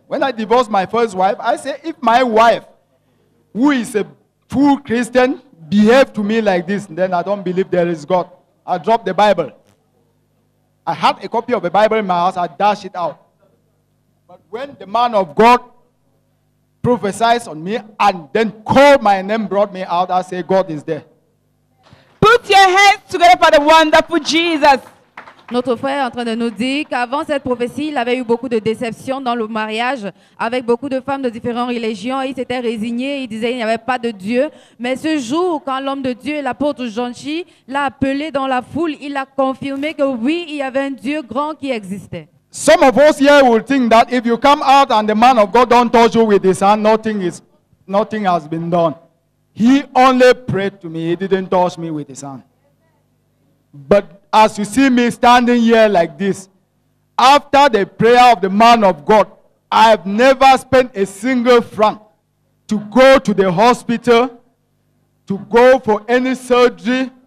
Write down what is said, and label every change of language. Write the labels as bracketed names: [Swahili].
[English] When I divorced my first wife, I said, if my wife, who is a full Christian, behaved to me like this, then I don't believe there is God. I dropped the Bible. I had a copy of the Bible in my house. I dashed it out. When the man of God prophesies on me and then called my name, brought me out, I say, God is there. Put your hands together for the wonderful Jesus. [French] Notre frère est en train de nous dire qu'avant cette prophétie, il avait eu beaucoup de déceptions dans le mariage avec beaucoup de femmes de différentes religions. Il s'était résigné, il disait qu'il n'y avait pas de Dieu. Mais ce jour, quand l'homme de Dieu, l'apôtre Jean-Chi, l'a appelé dans la foule, il a confirmé que oui, il y avait un Dieu grand qui existait. [English] Some of us here will think that if you come out and the man of God don't touch you with his hand, nothing has been done. He only prayed to me. He didn't touch me with his hand. But as you see me standing here like this, after the prayer of the man of God, I have never spent a single franc to go to the hospital, to go for any surgery.